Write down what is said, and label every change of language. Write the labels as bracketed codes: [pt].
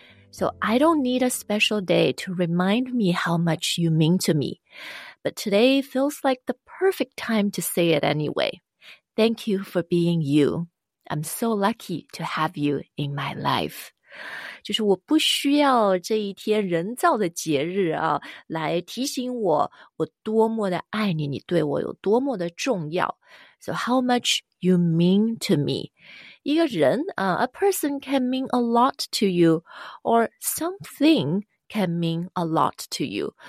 [en] So I don't need a special day to remind me how much you mean to me， but today feels like the perfect time to say it anywayThank you for being you. I'm so lucky to have you in my life. [zh] 就是我不需要这一天人造的节日啊，来提醒我，我多么的爱你，你对我有多么的重要。 [en] So how much you mean to me. [zh] 一个人啊， [en] a person can mean a lot to you, or something can mean a lot to you.